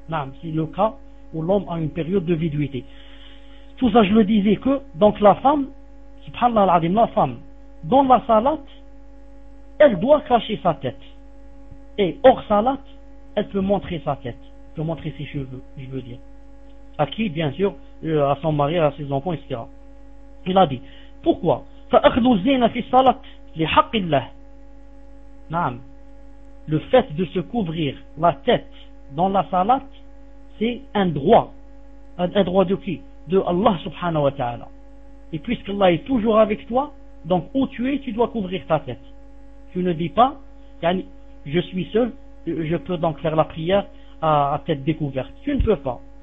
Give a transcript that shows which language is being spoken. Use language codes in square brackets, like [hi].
[fr] Naam, c'est le cas où l'homme a une période de viduité. Tout ça, je le disais que, donc la femme, subhanallah al-azim, la femme, dans la salat, elle doit cacher sa tête. Et hors salat, elle peut montrer sa tête, peut montrer ses cheveux, je veux dire. À qui, bien sûr, à son mari, à ses enfants, etc. Il a dit, pourquoi ? [ar] فَأَخْذُوا الزِّينَ فِي الصَّلَاةِ لِحَقِّ اللَّهِ Naam. [fr] Le fait de se couvrir la tête dans la salat, c'est un droit. Un droit de qui ? De Allah subhanahu wa ta'ala. Et puisqu'Allah est toujours avec toi, donc où tu es, tu dois couvrir ta tête. Tu ne dis pas, je suis seul, je peux donc faire la prière à tête découverte. Tu ne peux pas.